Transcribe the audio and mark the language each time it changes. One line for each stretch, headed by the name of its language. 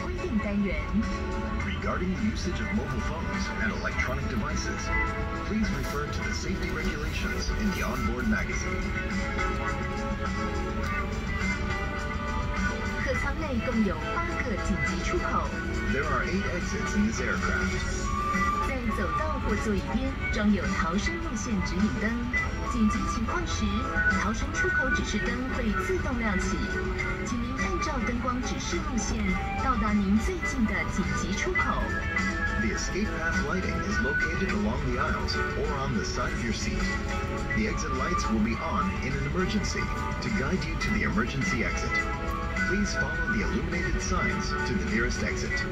English: Regarding the usage of mobile phones and electronic devices, please refer to the safety regulations in the onboard magazine.
Chinese: 客舱内共有8个紧急出口.
English: There are 8 exits in this aircraft.
Chinese: 在走道或座椅边装有逃生路线指引灯。紧急情况时，逃生出口指示灯会自动亮起，请您按照灯光指示路线到达您最近的紧急出口。
English: The escape path lighting is located along the aisles or on the side of your seat. The exit lights will be on in an emergency to guide you to the emergency exit. Please follow the illuminated signs to the nearest exit.